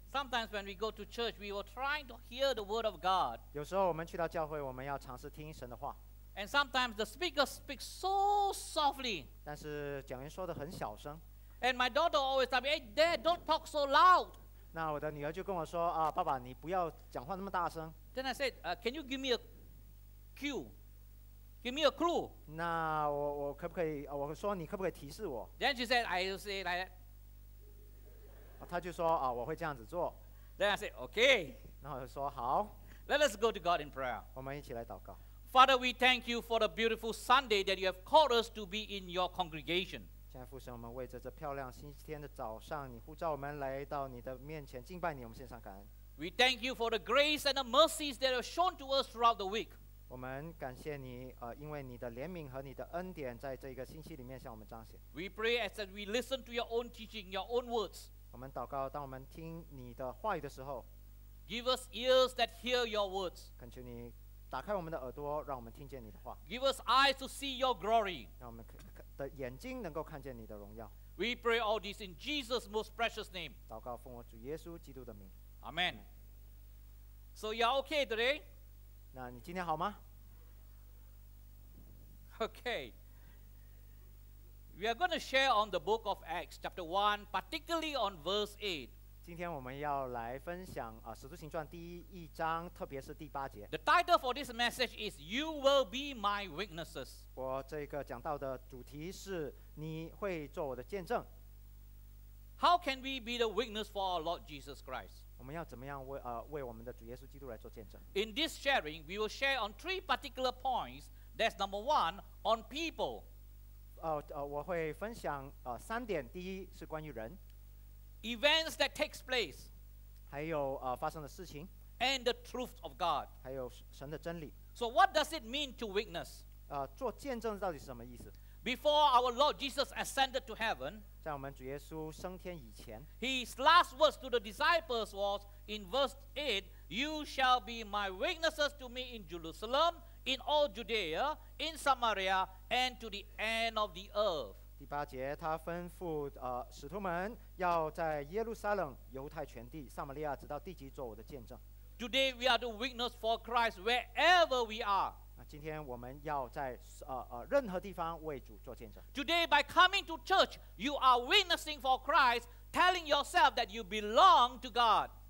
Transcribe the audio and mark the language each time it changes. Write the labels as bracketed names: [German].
[English] Sometimes when we go to church, we were trying to hear the word of God. [Chinese] 有时候我们去到教会，我们要尝试听神的话。 [English] And sometimes the speaker speaks so softly. [Chinese] 但是讲员说得很小声。 [English] And my daughter always tells me, "Hey, Dad, don't talk so loud." [Chinese] 那我的女儿就跟我说啊，爸爸，你不要讲话那么大声。 [English] Then I said, "Can you give me a cue? Give me a clue." [Chinese] 那我可不可以？我说你可不可以提示我 [English] ？Then she said, "I will say like that." [Chinese] 她就说啊，我会这样子做。 [English] Then I said, "Okay." [Chinese] 然后我就说好。 [English] Let us go to God in prayer. [Chinese] 我们一起来祷告。 [English] Father, we thank you for the beautiful Sunday that you have called us to be in your congregation. [Chinese] 亲爱的父神，我们为着这漂亮星期天的早上，你呼召我们来到你的面前敬拜你，我们献上感恩。 [English] We thank you for the grace and the mercies that are shown to us throughout the week. [Chinese] 我们感谢你，因为你的怜悯和你的恩典在这个星期里面向我们彰显。 [English] We pray as that we listen to your own teaching, your own words. [Chinese] 我们祷告，当我们听你的话语的时候 [English] ，Give us ears that hear your words. [Chinese] 恳求你。打开我们的耳朵，让我们听见你的话。 [English] Give us eyes to see your glory. [Chinese] 让我们的眼睛能够看见你的荣耀。 [English] We pray all this in Jesus' most precious name. [Chinese] 祷告奉我主耶稣基督的名。 [English] Amen. So you're okay today? [Chinese] 那你今天好吗 [English] ？Okay. We are going to share on the book of Acts, chapter 1, particularly on verse 8. [Chinese] 今天我们要来分享《使徒行传》第一章，特别是第八节。 [English] The title for this message is "You will be my witnesses." [Chinese] 我这个讲到的主题是你会做我的见证。 [English] How can we be the witness for our Lord Jesus Christ? [Chinese] 我们要怎么样为我们的主耶稣基督来做见证 [English] ？In this sharing, we will share on three particular points. That's number one on people. [Chinese] 我会分享三点。第一是关于人。 [English] Events that takes place, [Chinese] 还有发生的事情 [English] and the truth of God, [Chinese] 还有神的真理 [English] So what does it mean to witness? [Chinese] 做见证到底是什么意思 [English] Before our Lord Jesus ascended to heaven, [Chinese] 在我们主耶稣升天以前 [English] His last words to the disciples was in verse 8, "You shall be my witnesses to me in Jerusalem, in all Judea, in Samaria, and to the end of the earth." [Chinese] 第八节他吩咐使徒们要在耶路撒冷犹太全地撒玛利亚直到地极做我的见证 [English] Today we are the witness for Christ wherever we are [Chinese] 今天我们要在任何地方为主做见证 [English] Today by coming to church you are witnessing for Christ telling yourself that you belong to God